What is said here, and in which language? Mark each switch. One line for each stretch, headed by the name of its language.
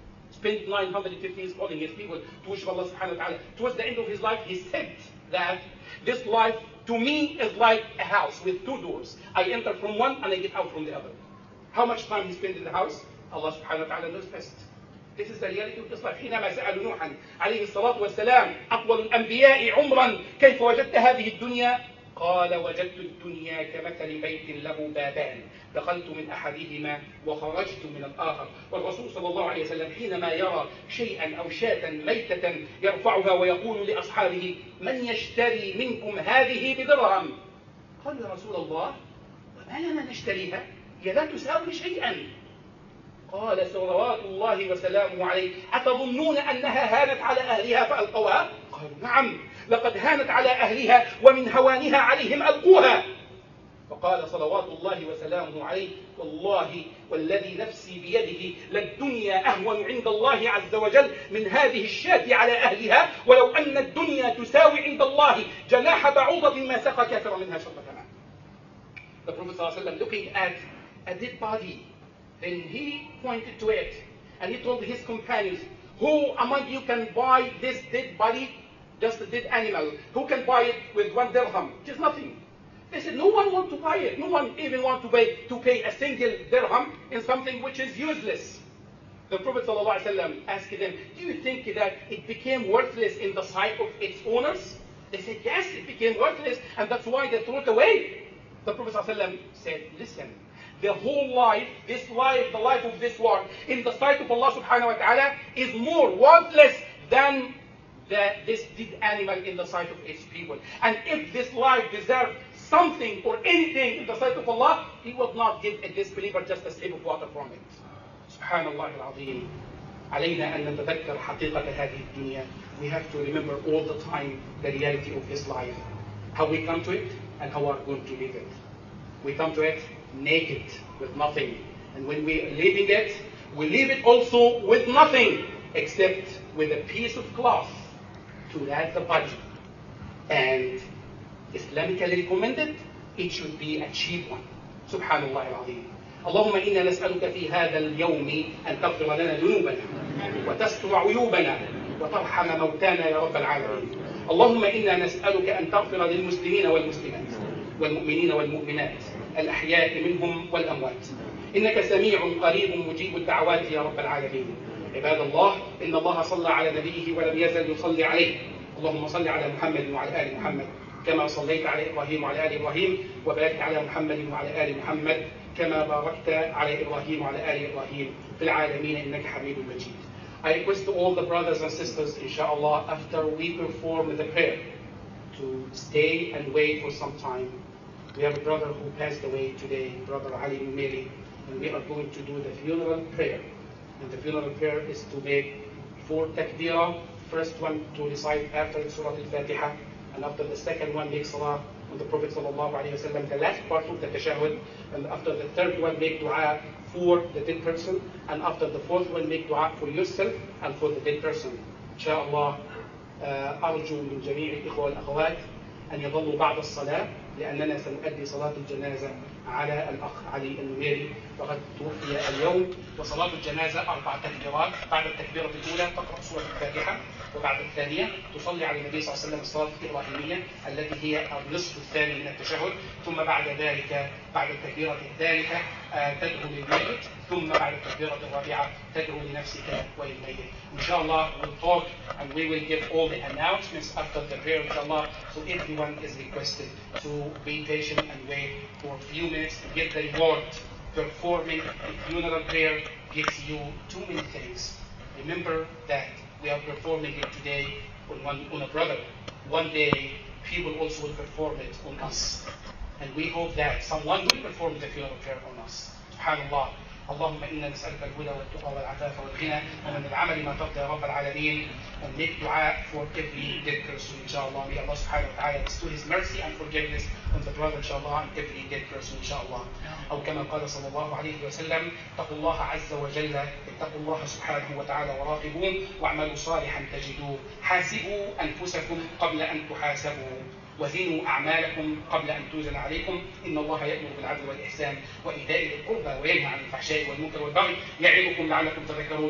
English: Spent 950 years calling his people to worship Allah subhanahu wa ta'ala. Towards the end of his life, he said that this life to me is like a house with two doors. I enter from one and I get out from the other. How much time he spent in the house? Allah subhanahu wa ta'ala knows best. This is the reality of this life.
Arabic: حينما سأل نوحا عليه الصلاة والسلام أطول الأنبياء عمرا كيف وجدت هذه الدنيا؟ قال وجدت الدنيا كمثل بيت له بابان دخلت من أحدهما وخرجت من الآخر. والرسول صلى الله عليه وسلم حينما يرى شيئا أو شاة ميتة يرفعها ويقول لأصحابه من يشتري منكم هذه بدرهم؟ قال يا رسول الله وما لنا نشتريها هي لا تساوي شيئا. قال صلوات الله وسلامه عليه أتظنون أنها هانت على أهلها فألقوها؟ قال نعم لقد هانت على أهلها ومن هوانها عليهم ألقوها. فقال صلوات الله وسلامه عليه والله والذي نفسي بيده للدنيا أهون عند الله عز وجل من هذه الشاة على أهلها ولو أن الدنيا تساوي عند الله جناح بعوضة ما سقى كافر منها شربة ماء.
English: The Prophet صلى الله عليه وسلم looking at a dead body, then he pointed to it and he told his companions, who among you can buy this dead body? Just a dead animal. Who can buy it with one dirham? Just nothing. They said, no one wants to buy it. No one even wants to pay a single dirham in something which is useless. The Prophet ﷺ asked them, do you think that it became worthless in the sight of its owners? They said, yes, it became worthless, and that's why they threw it away. The Prophet ﷺ said, listen, the whole life, this life, the life of this world, in the sight of Allah subhanahu wa ta'ala, is more worthless than this dead animal in the sight of its people. And if this life deserved something or anything in the sight of Allah, He would not give a disbeliever just a sip of water from it.
Arabic: سبحان الله العظيم علينا أن نتذكر حقيقة هذه الدنيا.
English: We have to remember all the time the reality of this life, how we come to it and how we are going to leave it. We come to it naked with nothing, and when we are leaving it, we leave it also with nothing except with a piece of cloth to wrap the body. And Islamically recommended, it should be a cheap one.
Arabic: سبحان الله العظيم. اللهم إنا نسألك في هذا اليوم أن تغفر لنا ذنوبنا وتستر عيوبنا وترحم موتانا يا رب العالمين. اللهم إنا نسألك أن تغفر للمسلمين والمسلمات والمؤمنين والمؤمنات الأحياء منهم والأموات. إنك سميع قريب مجيب الدعوات يا رب العالمين. عباد الله، إن الله صلى على نبيه ولم يزل يصلي عليه. اللهم صل على محمد وعلى آل محمد كما صليت على إبراهيم وعلى آل إبراهيم، وبارك على محمد وعلى آل محمد كما باركت على إبراهيم وعلى آل إبراهيم في العالمين إنك حميد مجيد.
English: I request to all the brothers and sisters, inshallah, after we perform the prayer, to stay and wait for some time. We have a brother who passed away today, Brother Ali Mumeri, and we are going to do the funeral prayer. And the funeral prayer is to make 4 takbirah. First one to recite after Surah Al-Fatiha, and after the second one make salah on the Prophet sallallahu alayhi wa sallam, the last part of the tashahud, and after the third one make dua for the dead person, and after the fourth one make dua for yourself and for the dead person.
Arabic: Insha'Allah, أرجو من جميع الإخوة والأخوات أن يظلوا بعد الصلاة لأننا سنؤدي صلاة الجنازة على الأخ علي النميري وقد توفي اليوم. وصلاة الجنازة 4 تكبيرات، بعد التكبيرة الأولى تقرأ سورة الفاتحة، وبعد الثانية تصلي على النبي صلى الله عليه وسلم الصلاة الإبراهيمية التي هي النصف الثاني من التشهد، ثم بعد ذلك بعد التكبيرة الثالثة تدعو للميت، ثم بعد التكبيرة الرابعة تدعو لنفسك وللميت.
English: إن شاء الله we'll talk and we will give all the announcements after the prayer إن شاء الله. So everyone is requested to be patient and wait for a few minutes to get the reward. Performing the funeral prayer gives you 2 main things. Remember that we are performing it today on a brother. One day, people also will perform it on us. And we hope that someone will perform the funeral prayer on us. SubhanAllah.
Arabic: اللهم إنا نسألك الهدى والتقى والعفاف والغنى ومن العمل ما ترضى يا رب العالمين.
English: And make dua for every dead person inshallah. May Allah subhanahu wa ta'ala bestow His mercy and forgiveness on the brother inshallah and every dead person inshallah.
Arabic: أو كما قال صلى الله عليه وسلم، اتقوا الله عز وجل، اتقوا الله سبحانه وتعالى وراقبوا، واعملوا صالحا تجدوه، حاسبوا أنفسكم قبل أن تحاسبوا، وزنوا أعمالكم قبل أن توزن عليكم، إن الله يأمر بالعدل والإحسان وإيتاء ذي القربى وينهى عن الفحشاء والمنكر والبغي يعظكم لعلكم تذكرون.